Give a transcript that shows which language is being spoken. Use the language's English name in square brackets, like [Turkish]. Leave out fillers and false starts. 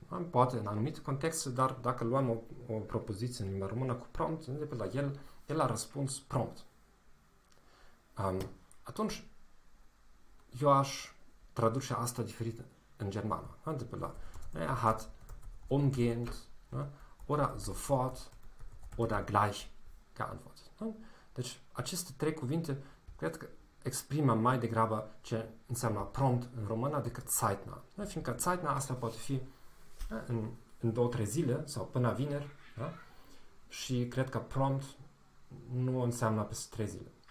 [Romanian] Poate în anumite contexte, dar dacă luăm o propoziție în limba română cu prompt, de pe la el a răspuns prompt. Atunci, eu aș traduce asta diferit în germană. De pe la [German] er hat umgehend, oder sofort, oder gleich geantwortet. [Romanian] Deci, aceste trei cuvinte, cred că exprimă mai degrabă ce înseamnă prompt în română decât zeitnah. Fiindcă zeitnah asta poate fi în două, trei zile sau până vineri, da? Și cred că prompt nu înseamnă peste trei zile.